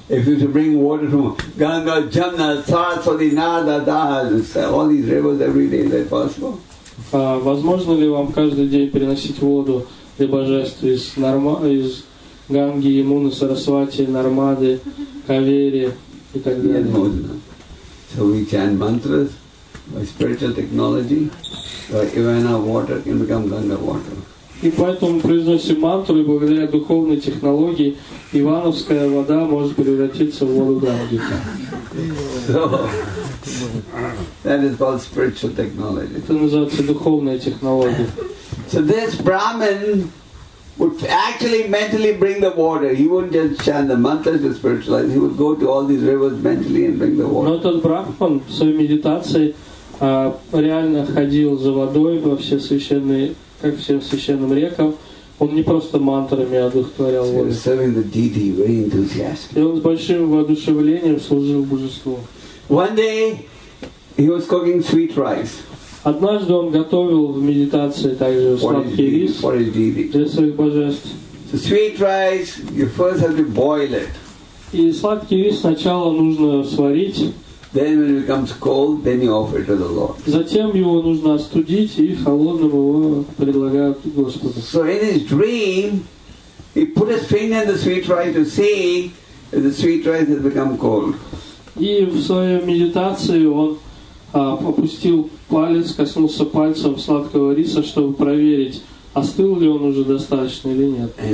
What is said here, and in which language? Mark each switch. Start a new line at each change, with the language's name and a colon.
English: If you bring water from Ganga, Jamna, Saraswati, Narada, Das, all these rivers every day, is that possible?
Russian: Возможно ли вам каждый день приносить воду для божеств из Ганги, Ямуны, Сарасвати, Нармады, Кавери и так далее?
English: Yes,
Russian: можно.
English: So we chant mantras. By spiritual technology, Ivana water can become Ganga water.
Russian: И поэтому произносим мантру, и благодаря духовной технологии ивановская вода может превратиться в воду Ганги. Это называется духовная технология.
English: So this Brahmin would actually mentally bring the water. He wouldn't just chant the mantras to spiritualize. He would go to all these rivers mentally and bring the water.
Russian: Но этот Брахман в своей медитации реально ходил за водой во все священные, как все священным рекам. Он не просто мантрами одухотворял воду.
English: So serving the deity very enthusiastically.
Russian: И он с большим воодушевлением служил божеству.
English: One day he was cooking sweet rice.
Russian: Однажды он готовил в медитации также сладкий рис для своих божеств.
English: So sweet rice, you first have to boil it.
Russian: И сладкий рис сначала нужно сварить.
English: Then when it becomes cold, then you offer it to the Lord.
Russian: Затем его нужно остудить и холодным его предлагают Господу.
English: So in his dream, he put his finger in the sweet rice to see if the sweet rice has become cold.
Russian: И в своей медитации он опустил палец, коснулся пальцем сладкого риса, чтобы проверить, остыл ли он уже достаточно или нет.